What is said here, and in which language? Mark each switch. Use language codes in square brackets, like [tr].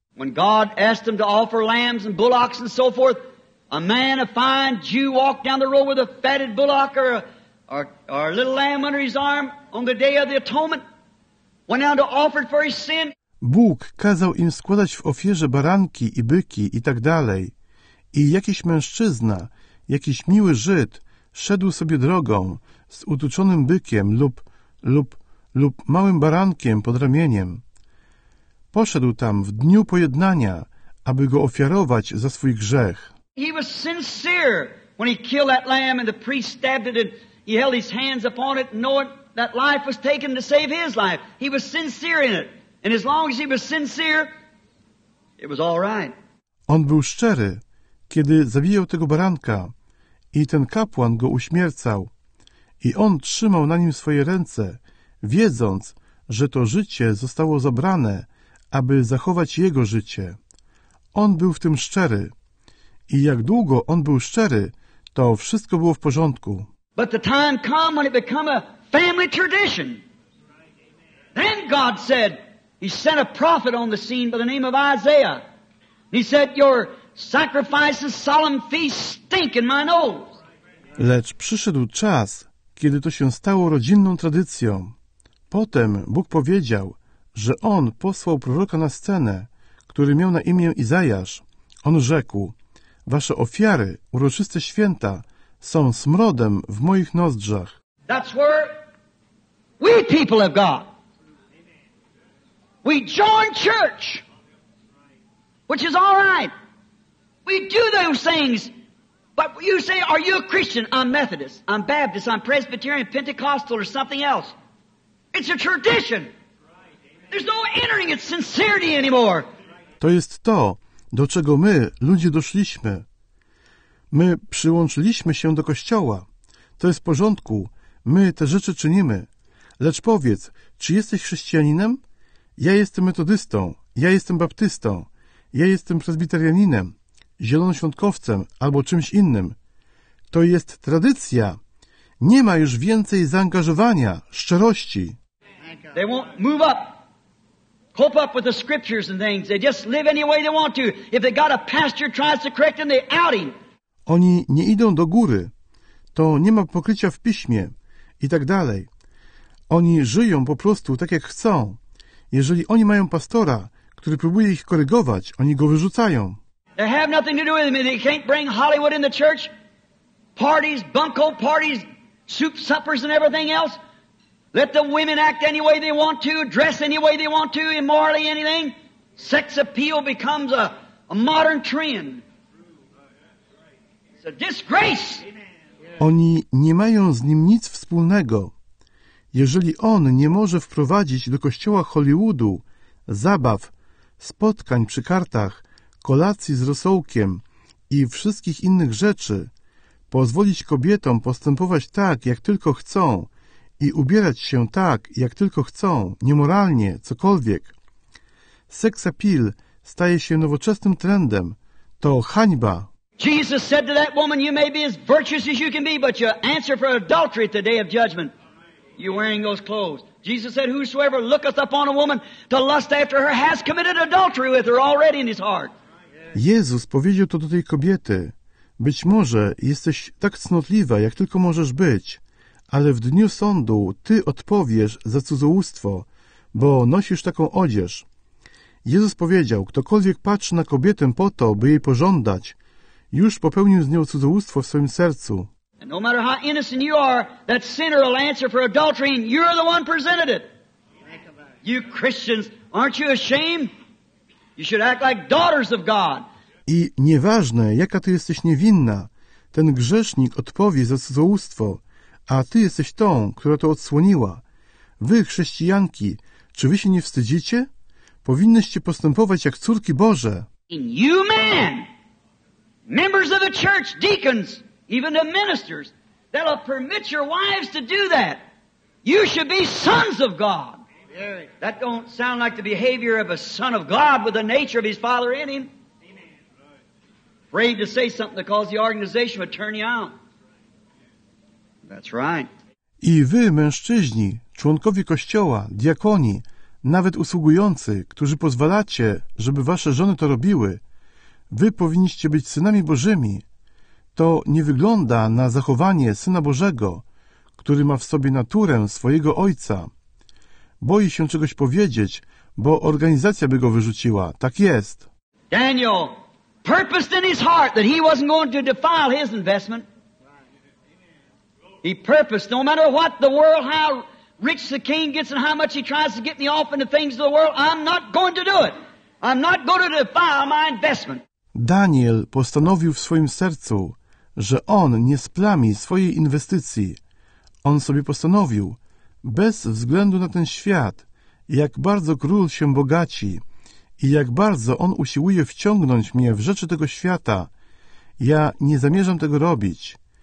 [en] When God asked them to offer lambs and bullocks and so forth, a man, a fine Jew, walked down the road with a fatted bullock or our little lamb under his arm on the day of the atonement went out to offer it for his sin. [pl] Bóg kazał im składać w ofierze baranki i byki i tak dalej. I jakiś mężczyzna, jakiś miły Żyd, szedł sobie drogą z utuczonym bykiem lub małym barankiem pod ramieniem. Poszedł tam w dniu pojednania, aby go ofiarować za swój grzech. [en] He was sincere when he killed that lamb and the priest stabbed it and he held his hands upon it, knowing that life was taken to save his life. He was sincere in it. And as long as he was sincere, it was all right. [pl] On był szczery, kiedy zabijał tego baranka i ten kapłan go uśmiercał. I on trzymał na nim swoje ręce, wiedząc, że to życie zostało zabrane, aby zachować jego życie. On był w tym szczery. I jak długo on był szczery, to wszystko było w porządku. [en] But the time come when it become a family tradition. Then God said, he sent a prophet on the scene by the name of Isaiah. He said, your sacrifices, solemn feasts stink in my nose. [pl] Lecz przyszedł czas, kiedy to się stało rodzinną tradycją. Potem Bóg powiedział, że on posłał proroka na scenę, który miał na imię Izajasz. On rzekł, wasze ofiary, uroczyste święta, są smrodem w moich nozdrzach. [en] That's where we people of God. We join church, which is all right. We do those things. But you say, are you a Christian? I'm Methodist. I'm Baptist. I'm Presbyterian, Pentecostal, or something else. It's a tradition. There's no entering its sincerity anymore. [pl] To jest to, do czego my, ludzie, doszliśmy. My przyłączyliśmy się do Kościoła. To jest w porządku. My te rzeczy czynimy. Lecz powiedz, czy jesteś chrześcijaninem? Ja jestem metodystą. Ja jestem baptystą. Ja jestem prezbiterianinem, zielonoświątkowcem albo czymś innym. To jest tradycja. Nie ma już więcej zaangażowania, szczerości. [en] They won't move up. Cope up with the scriptures and things. They just live any way they want to. If they got a pastor tries to correct them, they out him. [pl] Oni nie idą do góry, to nie ma pokrycia w piśmie i tak dalej. Oni żyją po prostu tak, jak chcą. Jeżeli oni mają pastora, który próbuje ich korygować, oni go wyrzucają. [en] They have nothing to do with me. They can't bring Hollywood in the church. Parties, bunko parties, soup suppers and everything else. Let the women act any way they want to, dress any way they want to, immorally anything. Sex appeal becomes a modern trend. It's a disgrace. [pl] Oni nie mają z nim nic wspólnego. Jeżeli on nie może wprowadzić do kościoła Hollywoodu zabaw, spotkań przy kartach, kolacji z rosołkiem i wszystkich innych rzeczy, pozwolić kobietom postępować tak, jak tylko chcą i ubierać się tak, jak tylko chcą, niemoralnie, cokolwiek. Sex appeal staje się nowoczesnym trendem. To hańba. [en] Jesus said to that woman, you may be as virtuous as you can be, but you answer for adultery at the day of judgment. You're wearing those clothes. Jesus said, whosoever looketh upon a woman to lust after her has committed adultery with her already in his heart. [pl] Jezus powiedział to do tej kobiety. Być może jesteś tak cnotliwa, jak tylko możesz być, ale w dniu sądu ty odpowiesz za cudzołóstwo, bo nosisz taką odzież. Jezus powiedział, ktokolwiek patrzy na kobietę po to, by jej pożądać, już popełnił z nią cudzołóstwo w swoim sercu. [en] No matter how innocent you are, that sinner will answer for adultery, and you're the one presented it. You Christians, aren't you ashamed? You should act like daughters of God. [pl] I nieważne, jaka ty jesteś niewinna, ten grzesznik odpowie za cudzołóstwo, a ty jesteś tą, która to odsłoniła. Wy, chrześcijanki, czy wy się nie wstydzicie? Powinnyście postępować jak córki Boże. [en] And you men, members of the church, deacons, even the ministers, that'll permit your wives to do that. You should be sons of God. That don't sound like the behavior of a son of God with the nature of his father in him. Afraid to say something to cause the organization to turn you out. That's right. [pl] I wy, mężczyźni, członkowie kościoła, diakoni, nawet usługujący, którzy pozwalacie, żeby wasze żony to robiły, wy powinniście być synami Bożymi. To nie wygląda na zachowanie Syna Bożego, który ma w sobie naturę swojego Ojca. Boi się czegoś powiedzieć, bo organizacja by go wyrzuciła. Tak jest. [en] Daniel purposed in his heart that he wasn't going to defile his investment. He purposed, no matter what the world, how rich the king gets and how much he tries to get me off in the things of the world, I'm not going to do it. I'm not going to defile my investment. [pl] Daniel postanowił w swoim sercu, że on nie splami swojej inwestycji. On sobie postanowił, bez względu na ten świat, jak bardzo król się bogaci i jak bardzo on usiłuje wciągnąć mnie w rzeczy tego świata, ja nie zamierzam tego robić.